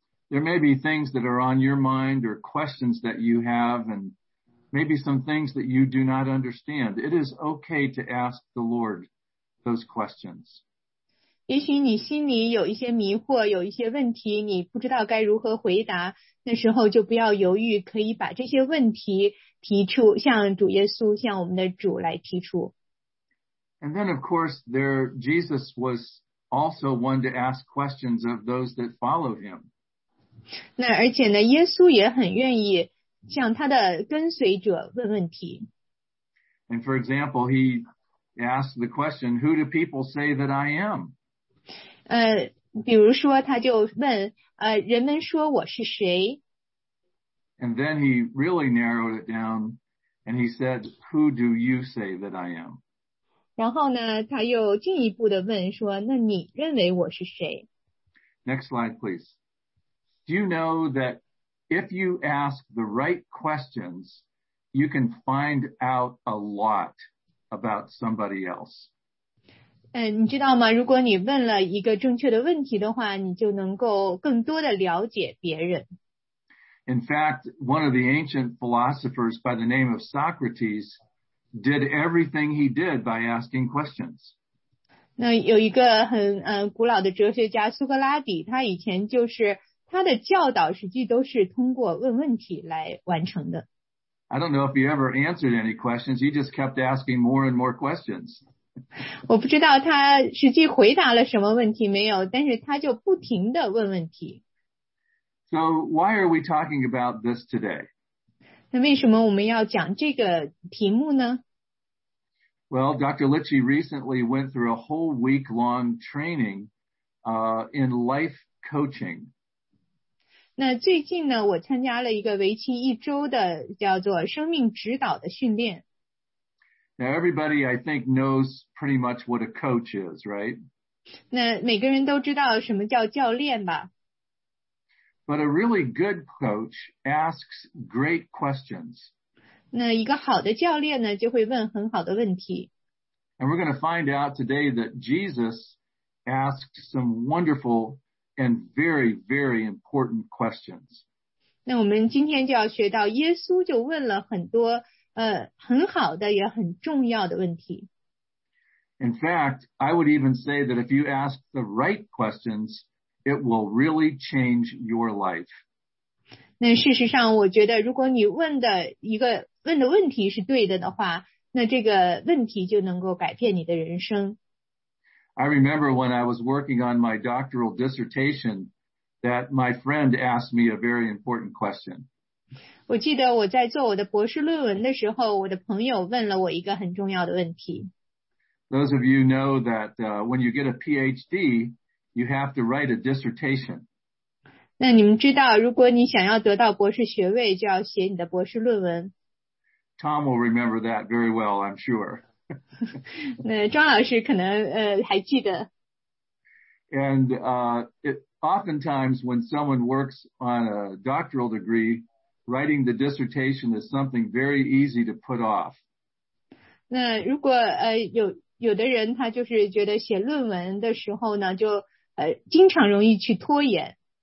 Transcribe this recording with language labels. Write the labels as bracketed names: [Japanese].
[English] There may be things that are on your mind or questions that you have and maybe some things that you do not understand. It is okay to ask the Lord those questions. [Chinese] 也许你心里有一些迷惑，有一些问题，你不知道该如何回答，那时候就不要犹豫，可以把这些问题提出，向主耶稣，向我们的主来提出。 [English] And then, of course, there Jesus was also one to ask questions of those that follow him. [Chinese] 那而且呢，耶稣也很愿意向他的跟随者问问题。 [English] And for example, he asked the question, "Who do people say that I am?" [Chinese] 比如说他就问，人们说我是谁？ [English] And then he really narrowed it down, and he said, "Who do you say that I am?" [Chinese] 然后呢，他又进一步的问说，那你认为我是谁？ [English] Next slide, please. Do you know that if you ask the right questions, you can find out a lot about somebody else? [Chinese] 你知道吗？如果你问了一个正确的问题的话，你就能够更多的了解别人。 [English] In fact, one of the ancient philosophers by the name of Socrates did everything he did by asking questions. [Chinese] 那有一个很古老的哲学家苏格拉底，他以前就是他的教导实际都是通过问问题来完成的。 [English] I don't know if he ever answered any questions. He just kept asking more and more questions. [Chinese] 我不知道他实际回答了什么问题没有，但是他就不停地问问题。 [English] So why are we talking about this today? [Chinese] 那为什么我们要讲这个题目呢？ [English] Well, Dr. Litchi recently went through a whole week-long training in life coaching. [Chinese] 那最近呢，我参加了一个为期一周的叫做生命指导的训练。 [English] Now everybody, I think, knows pretty much what a coach is, right? [Chinese] 那每个人都知道什么叫教练吧。 [English] But a really good coach asks great questions. [Chinese] 那一个好的教练呢，就会问很好的问题。 [English] And we're going to find out today that Jesus asked some wonderful and very, very important questions. [Chinese] 那我们今天就要学到耶稣就问了很多很好的也很重要的问题。 [English] In fact, I would even say that if you ask the right questions, it will really change your life. [Chinese] 那事实上我觉得如果你问的问题是对的话，那这个问题就能够改变你的人生。 [English] I remember when I was working on my doctoral dissertation that my friend asked me a very important question. [Chinese] 我记得我在做我的博士论文的时候，我的朋友问了我一个很重要的问题。 [English] Those of you know that when you get a PhD, you have to write a dissertation. [Chinese] 那你们知道，如果你想要得到博士学位，就要写你的博士论文。 [English] Tom will remember that very well, I'm sure. [Chinese] 那庄老师可能还记得。 [English] And oftentimes when someone works on a doctoral degree, writing the dissertation is something very easy to put off. [Chinese] 那如果有的人他就是觉得写论文的时候呢，就经常容易去拖延。